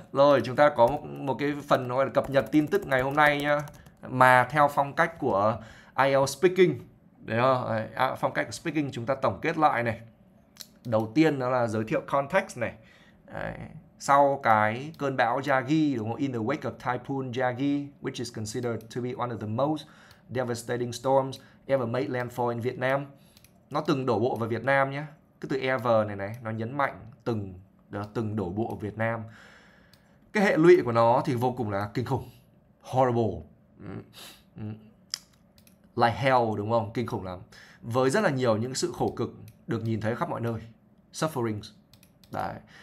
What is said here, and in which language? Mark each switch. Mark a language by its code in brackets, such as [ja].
[vi] Rồi, chúng ta có một cái phần gọi là cập nhật tin tức ngày hôm nay nhá. Mà theo phong cách của IELTS speaking, đấy không? Phong cách của speaking chúng ta tổng kết lại này. Đầu tiên đó là giới thiệu context này. Đấy. Sau cái cơn bão Yagi đúng không? [en] In the wake of Typhoon Yagi, which is considered to be one of the most devastating storms ever made landfall in Vietnam. [vi] Nó từng đổ bộ vào Việt Nam nhé. Cái từ ever này này, nó nhấn mạnh từng đó, từng đổ bộ ở Việt Nam. Cái hệ lụy của nó thì vô cùng là kinh khủng. [en] Horrible. Like hell [vi] đúng không? Kinh khủng lắm. Với rất là nhiều những sự khổ cực được nhìn thấy khắp mọi nơi. [en] Sufferings. [vi] Đấy.